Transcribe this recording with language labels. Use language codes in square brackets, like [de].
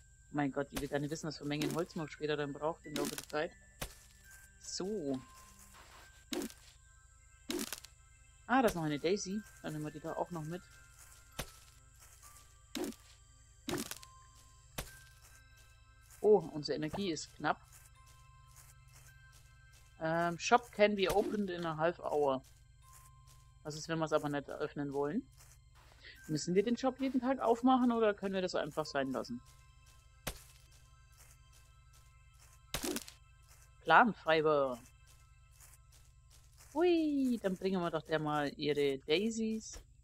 [de] Mein Gott, ich will gar nicht wissen, was für Mengen Holz man später dann braucht im Laufe der Zeit. So. Ah, da ist noch eine Daisy. Dann nehmen wir die da auch noch mit. Oh, unsere Energie ist knapp. [en] Shop can be opened in a half hour. [de] Was ist, wenn wir es aber nicht öffnen wollen? Müssen wir den Shop jeden Tag aufmachen oder können wir das einfach sein lassen? Planfiber. Hui, dann bringen wir doch der mal ihre Daisies.